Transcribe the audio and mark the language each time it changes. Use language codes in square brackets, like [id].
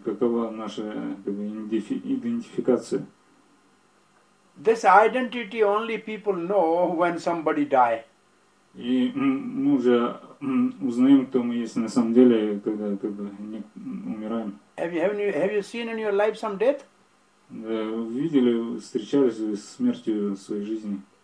[ru] Какова наша идентификация? [en] This identity only people know when somebody die. [ru] И мы уже узнаем, кто мы есть на самом деле, когда не умираем. [en] Have you seen in your life some death? [ru] Да, видели, встречались с смертью в своей жизни.